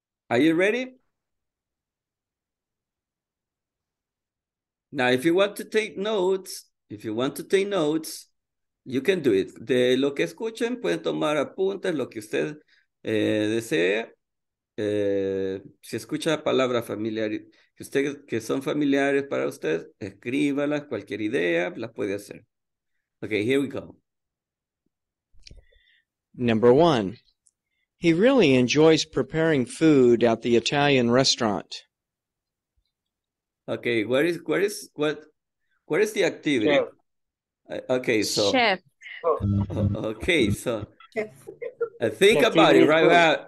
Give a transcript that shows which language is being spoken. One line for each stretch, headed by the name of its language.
English: Are you ready? Now, if you want to take notes, you can do it.
Spanish: De lo que escuchen, pueden tomar apuntes, lo que usted desee. Si escucha palabras familiares, que son familiares para usted, escríbalas, cualquier idea, las puede hacer.
English: Okay, here we go. Number one. He really enjoys preparing food at the Italian restaurant. Okay, what is the activity? Chef. Okay, so chef. Okay, so think about it, right?